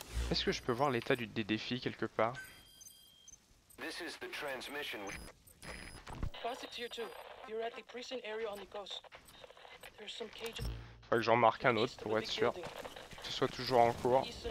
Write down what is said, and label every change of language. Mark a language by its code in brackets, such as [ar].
[fr] Est-ce que je peux voir l'état des défis quelque part? [en] This is the transmission. Tier 2, you're at the prison area on the coast. There's some cages. [fr] Faut que j'en marque un autre pour être sûr que ce soit toujours en cours.